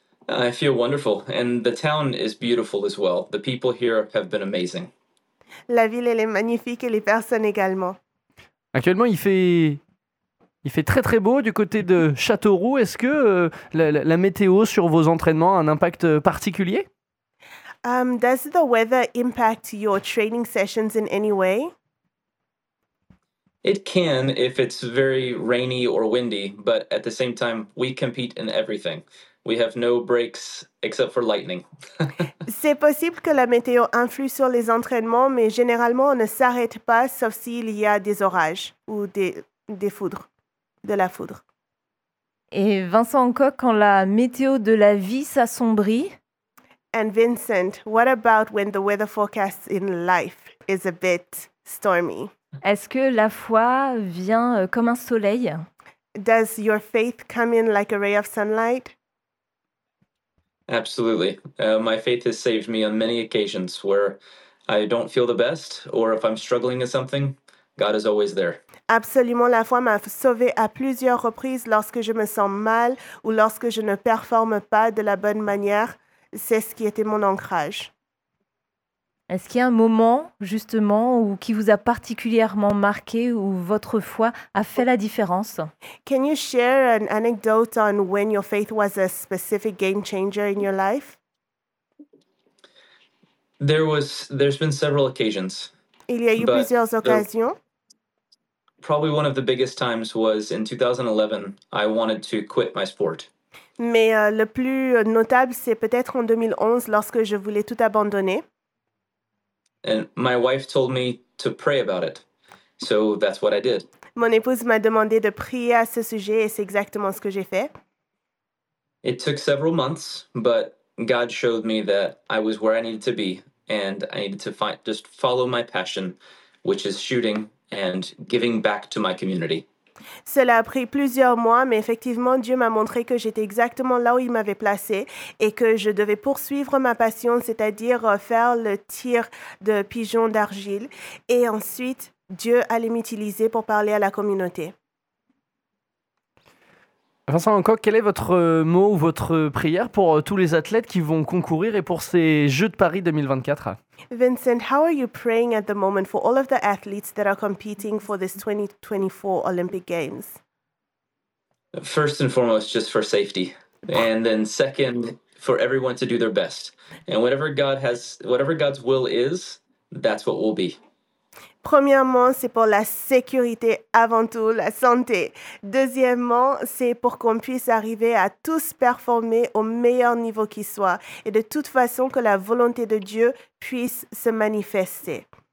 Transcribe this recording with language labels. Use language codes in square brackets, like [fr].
[en] I feel wonderful, and the town is beautiful as well. The people here have been amazing. [fr] La ville, elle est magnifique et les personnes également. Actuellement, il fait très très beau du côté de Châteauroux. Est-ce que la météo sur vos entraînements a un impact particulier? [en] Does the weather impact your training sessions in any way? It can if it's very rainy or windy, but at the same time, we compete in everything. We have no breaks except for lightning. [fr] C'est possible que la météo influe sur les entraînements, mais généralement, on ne s'arrête pas sauf s'il y a des orages ou des foudres, de la foudre. Et Vincent Coq, quand la météo de la vie s'assombrit? [en] And Vincent, what about when the weather forecast in life is a bit stormy? [fr] Est-ce que la foi vient comme un soleil? [en] Does your faith come in like a ray of sunlight? Absolutely. My faith has saved me on many occasions where I don't feel the best or if I'm struggling with something, God is always there. [fr] Absolument, la foi m'a sauvée à plusieurs reprises lorsque je me sens mal ou lorsque je ne performe pas de la bonne manière. C'est ce qui était mon ancrage. Est-ce qu'il y a un moment, justement, où, qui vous a particulièrement marqué où votre foi a fait la différence? [en] Can you share an anecdote on when your faith was a specific game changer in your life? There's been several occasions. [fr] Il y a eu plusieurs occasions. [en] Probably one of the biggest times was in 2011, I wanted to quit my sport. [fr] Mais le plus notable, c'est peut-être en 2011, lorsque je voulais tout abandonner. [en] And my wife told me to pray about it. So that's what I did. [fr] Mon épouse m'a demandé de prier à ce sujet et c'est exactement ce que j'ai fait. [en] It took several months, but God showed me that I was where I needed to be and I needed to just follow my passion, which is shooting and giving back to my community. [fr] Cela a pris plusieurs mois, mais effectivement, Dieu m'a montré que j'étais exactement là où il m'avait placé et que je devais poursuivre ma passion, c'est-à-dire faire le tir de pigeon d'argile. Et ensuite, Dieu allait m'utiliser pour parler à la communauté. Vincent Hancock, quel est votre mot ou votre prière pour tous les athlètes qui vont concourir et pour ces Jeux de Paris 2024? [en] Vincent, how are you praying at the moment for all of the athletes that are competing for this 2024 Olympic Games? First and foremost, just for safety. And then second, for everyone to do their best. And whatever God's will is, that's what we'll be. [fr] Premièrement, c'est pour la sécurité avant tout, la santé. Deuxièmement, c'est pour qu'on puisse arriver à tous performer au meilleur niveau qui soit et de toute façon que la volonté de Dieu puisse se manifester.